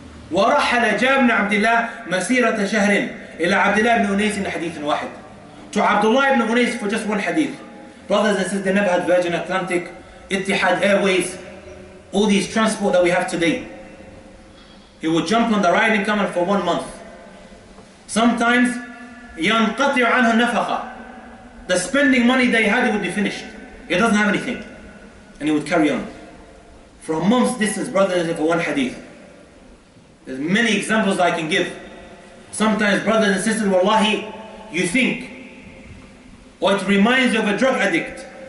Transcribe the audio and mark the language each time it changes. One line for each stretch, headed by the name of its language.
Arabic: وَرَحَلَ جَابْ بْنَ عَبْدِ اللَّهِ مَسِيرَةَ شَهْرٍ إِلَى عَبْدِ اللَّهِ بْنُ أُنَيْسٍ حَدِيثٍ وَاحِدٍ.
English: To Abdullah ibn Unais for just one hadith. Brothers and sisters, they never had Virgin Atlantic, Ittihad Airways, all these transport that we have today. He would jump on the riding camel for 1 month. Sometimes,
Arabic: يَنْقَطِعُ عَنْهُ النَّفَقَةَ.
English: The spending money they had, it would be finished. He doesn't have anything. And he would carry on. From months distance, brothers and sisters, for one hadith. There's many examples that I can give. Sometimes, brothers and sisters, wallahi, you think, or it reminds you of a drug addict.